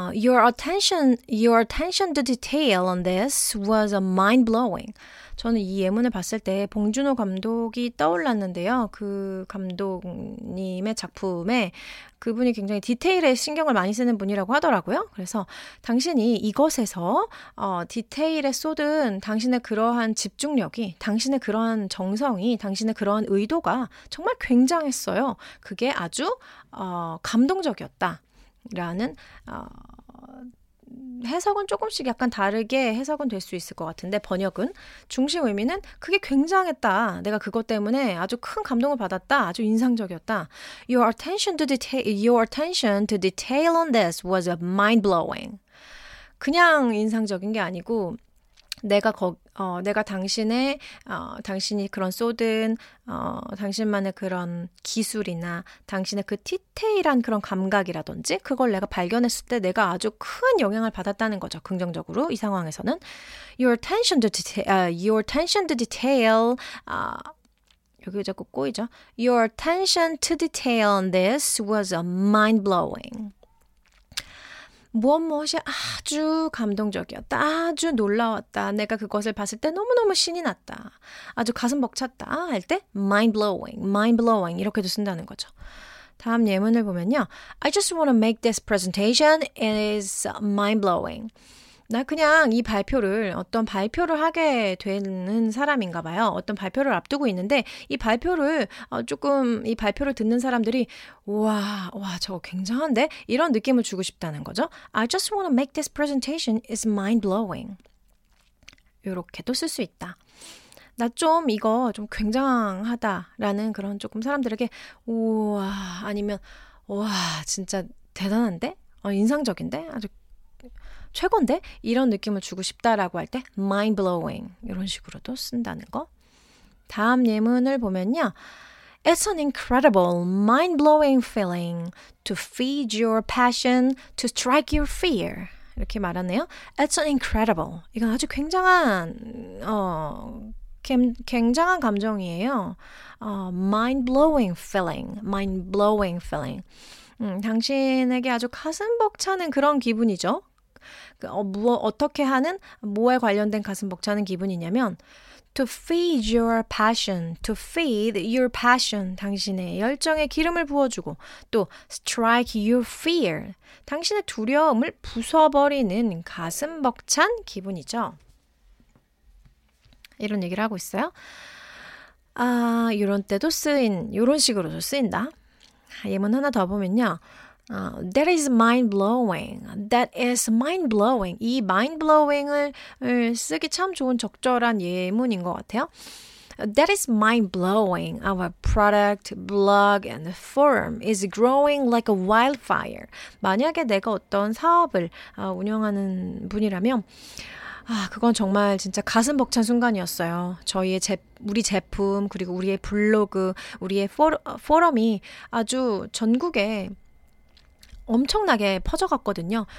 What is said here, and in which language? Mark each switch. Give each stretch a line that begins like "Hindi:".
English: Your attention to detail on this was a mind-blowing.
Korean: 저는 이 예문을 봤을 때 봉준호 감독이 떠올랐는데요. 그 감독님의 작품에 그분이 굉장히 디테일에 신경을 많이 쓰는 분이라고 하더라고요. 그래서 당신이 이것에서 디테일에 쏟은 당신의 그러한 집중력이, 당신의 그러한 정성이, 당신의 그러한 의도가 정말 굉장했어요. 그게 아주 감동적이었다라는 해석은 조금씩 약간 다르게 해석은 될 수 있을 것 같은데 번역은 중심 의미는 그게 굉장했다. 내가 그것 때문에 아주 큰 감동을 받았다. 아주 인상적이었다.
English: Your attention to detail on this was a mind-blowing.
Korean: 그냥 인상적인 게 아니고 당신이 그런 쏟은 당신만의 그런 기술이나 당신의 그 디테일한 그런 감각이라든지 그걸 내가 발견했을 때 내가 아주 큰 영향을 받았다는 거죠. 긍정적으로 이 상황에서는
English: Your attention to detail on this was a mind blowing.
Korean: 무엇 무엇이 아주 감동적이었다. 아주 놀라웠다. 내가 그것을 봤을 때 너무너무 신이 났다. 아주 가슴 벅찼다 할 때 mind blowing 이렇게도 쓴다는 거죠. 다음 예문을 보면요.
English: I just want to make this presentation. It is mind blowing.
Korean: 나 그냥 이 발표를 어떤 발표를 하게 되는 사람인가 봐요. 어떤 발표를 앞두고 있는데 이 발표를 이 발표를 듣는 사람들이 와, 저거 굉장한데? 이런 느낌을 주고 싶다는 거죠.
English: I just want to make this presentation is mind-blowing.
Korean: 이렇게도 쓸 수 있다. 나 좀 이거 좀 굉장하다라는 그런 조금 사람들에게 우와 아니면 와 진짜 대단한데? 인상적인데? 아주 최고인데? 이런 느낌을 주고 싶다라고 할 때 mind-blowing 이런 식으로도 쓴다는 거. 다음 예문을 보면요.
English: It's an incredible, mind-blowing feeling to feed your passion, to strike your fear.
Korean: 이렇게 말하네요.
English: It's an incredible.
Korean: 이건 아주 굉장한, 굉장한 감정이에요.
English: Mind-blowing feeling, mind-blowing feeling.
Korean: 당신에게 아주 가슴벅차는 그런 기분이죠. 어떻게 하는, 뭐에 관련된 가슴벅차는 기분이냐면
English: To feed your passion,
Korean: to feed your passion, 당신의 열정에 기름을 부어주고 또
English: strike your fear,
Korean: 당신의 두려움을 부숴버리는 가슴벅찬 기분이죠. 이런 얘기를 하고 있어요. 아, 이런 때도 쓰인, 이런 식으로도 쓰인다. 예문 하나 더 보면요.
English: That is mind-blowing. That is mind-blowing.
Korean: 이 mind-blowing을 쓰기 참 좋은 적절한 예문인 것 같아요.
English: That is mind-blowing. Our product, blog, and forum is growing like a wildfire.
Korean: 만약에 내가 어떤 사업을 운영하는 분이라면 아, 그건 정말 진짜 가슴 벅찬 순간이었어요. 저희의 우리 제품, 그리고 우리의 블로그, 우리의 포럼이 아주 전국에 엄청나게 퍼져갔거든요.